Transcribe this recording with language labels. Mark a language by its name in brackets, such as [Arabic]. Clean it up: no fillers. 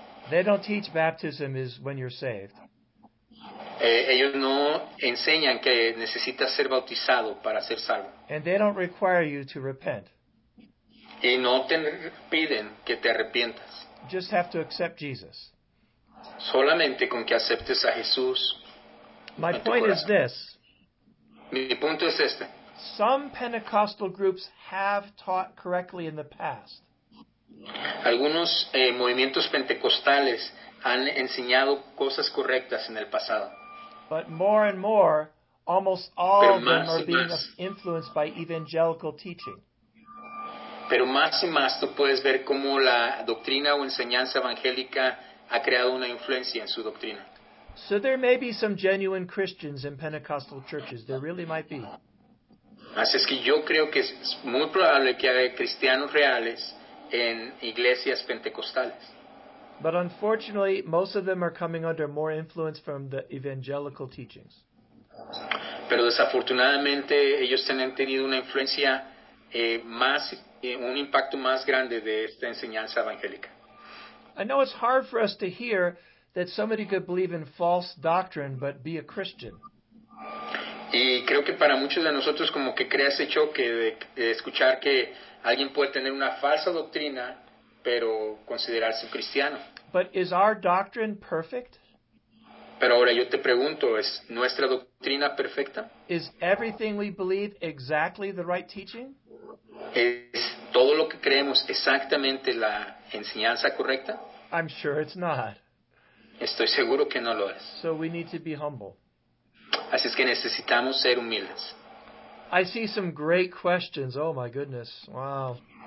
[English] They don't teach baptism is when you're saved. [Spanish] Ellos no enseñan que necesitas ser bautizado para ser salvo. [English] And they don't require you to repent. [Spanish] Y no te piden que te arrepientas. [English] Just have to accept Jesus. [Spanish] Solamente con que aceptes a Jesús. [English] My point is this. [Spanish] Mi punto es este. [English] Some Pentecostal groups have taught correctly in the past. [Spanish] Algunos movimientos pentecostales han enseñado cosas correctas en el pasado. [English] But more and more, almost all of them are being influenced by evangelical teaching. [Spanish] Pero más y más tú puedes ver cómo la doctrina o enseñanza evangélica ha creado una influencia en su doctrina. [English] So there may be some genuine Christians in Pentecostal churches. There really might be. [Spanish] Así es que yo creo que es muy probable que haya cristianos reales en iglesias pentecostales. [English] But unfortunately, most of them are coming under more influence from the evangelical teachings. [Spanish] Pero desafortunadamente ellos han tenido una influencia más un impacto más grande de esta enseñanza evangélica. [English] I know it's hard for us to hear that somebody could believe in false doctrine but be a Christian. [Spanish] Y creo que para muchos de nosotros como que crea ese choque de escuchar que alguien puede tener una falsa doctrina pero considerarse un cristiano. [English] But is our doctrine perfect? [Spanish] Pero ahora yo te pregunto, ¿es nuestra doctrina perfecta? [English] Is everything we believe exactly the right teaching? [Spanish] ¿Es todo lo que creemos exactamente la enseñanza correcta? [English] I'm sure it's not. [Spanish] Estoy seguro que no lo es. [English] So we need to be humble. [Spanish] Así es que necesitamos ser humildes. [English] I see some great questions. Oh my goodness. Wow.